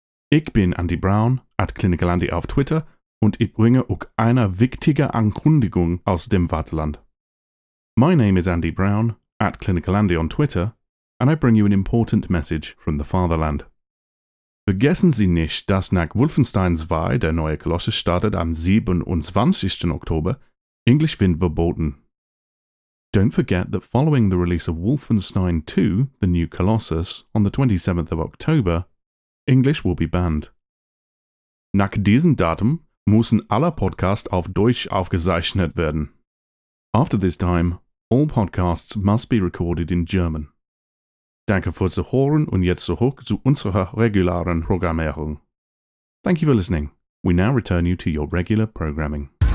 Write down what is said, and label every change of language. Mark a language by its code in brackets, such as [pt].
[de] Ich bin Andy Brown, at Clinical Andy auf Twitter, und ich bringe auch eine wichtige Ankündigung aus dem Vaterland. [en] My name is Andy Brown, at Clinical Andy on Twitter, and I bring you an important message from the Fatherland. [de] Vergessen Sie nicht, dass nach Wolfenstein II der neue Colossus startet am 27. Oktober, Englisch wird verboten. [en] Don't forget that following the release of Wolfenstein II, the new Colossus, on the 27th of October, English will be banned. [de] Nach diesem Datum müssen alle Podcasts auf Deutsch aufgezeichnet werden. [en] After this time, all podcasts must be recorded in German. [de] Danke fürs Zuhören und jetzt zurück zu unserer regularen Programmierung. [en] Thank you for listening. We now return you to your regular programming.